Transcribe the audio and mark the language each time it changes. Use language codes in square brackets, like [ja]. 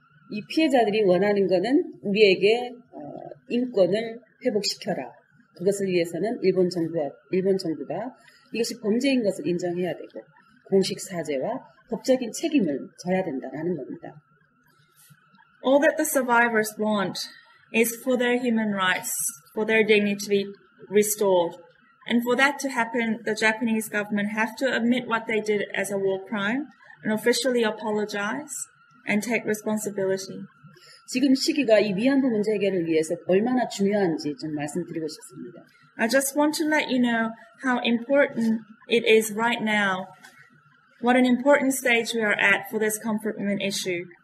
[ko] 이 피해자들이 원하는 것은 우리에게 인권을 회복시켜라. 그것을 위해서는 일본 정부가 이것이 범죄인 것을 인정해야 되고 공식 사죄와 법적인 책임을 져야 된다라는 겁니다. [en] All that the survivors want is for their human rights, for their dignity to be restored. And for that to happen, the Japanese government have to admit what they did as a war crime and officially apologize and take responsibility. [ko] 지금 시기가 이 위안부 문제 해결을 위해서 얼마나 중요한지 좀 말씀드리고 싶습니다. [en] I just want to let you know how important it is right now, what an important stage we are at for this confinement issue.